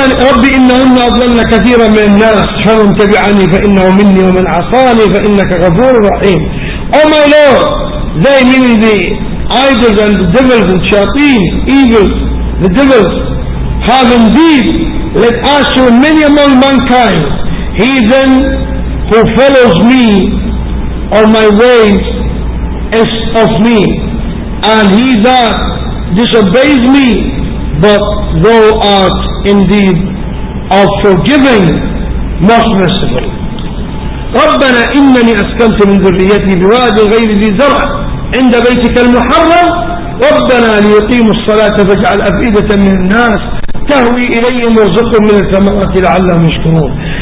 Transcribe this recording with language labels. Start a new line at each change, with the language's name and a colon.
Arabic: رب إنهن أضللن كثيرا من الناس فمن تبعني فإنه مني ومن عصاني فإنك غفور رحيم.
English: Oh my Lord, they mean the idols and the devils and shayateen, evil, the devils have indeed led astray many among mankind. He then who follows me or my ways is of me, and he that disobeys me, but thou art indeed of forgiving, most merciful.
Arabic: ربنا إنني أسكنت من ذريتي بواد غير ذي زرع عند بيتك المحرم ربنا ليقيموا الصلاة فاجعل أفئدة من الناس تهوي إليهم وارزقهم من الثمرات لعلهم يشكرون.